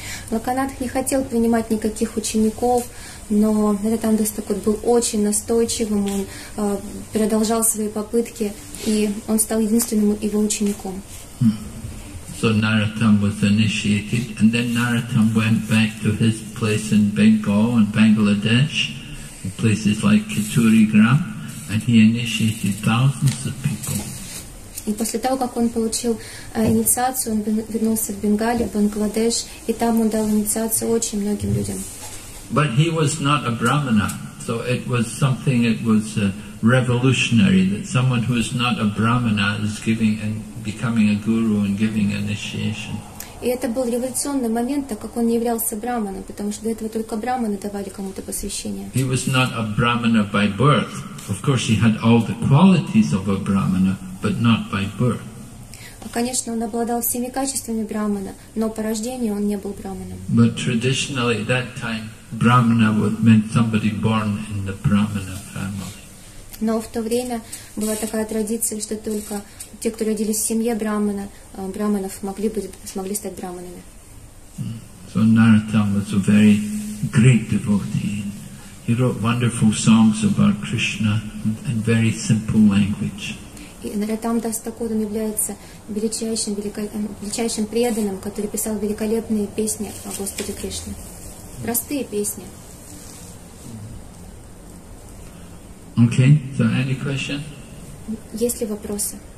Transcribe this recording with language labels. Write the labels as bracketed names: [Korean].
[Russian] Локанатх не хотел принимать никаких учеников, но Нарадам Дас Такур был очень настойчивым, он продолжал свои попытки, и он стал единственным его учеником. [English] So Narottam was initiated, and then Narottam went back to his place in Bengal and Bangladesh, in places like Khaturigram, and he initiated thousands of people. [Russian] И после того, как он получил инициацию, он вернулся в Бенгали, в Бангладеш, и там он дал инициацию очень многим людям. [English] But he was not a brahmana, so it was something that was revolutionary, that someone who is not a brahmana is giving and becoming a guru and giving initiation. [Russian] И это был революционный момент, так как он не являлся брахманом, потому что до этого только брахманы давали кому-то посвящение. [English] He was not a brahmana by birth. Of course, he had all the qualities of a brahmana, but not by birth. [Russian] Конечно, он обладал всеми качествами брахмана, но по рождению он не был брахманом. [English] But traditionally, at that time, brahmana meant somebody born in the brahmana family. [Russian] Но в то время была такая традиция, что только те, кто родились в семье брахмана, брахманов смогли стать брахманами. [English] So Narottam was a very great devotee. He wrote wonderful songs about Krishna in very simple language. [Russian] И Нарадам Дас Такур является величайшим преданным, который писал великолепные песни о Господе Кришне. Простые песни. [English] Okay, so any question? [Russian] Есть ли вопросы?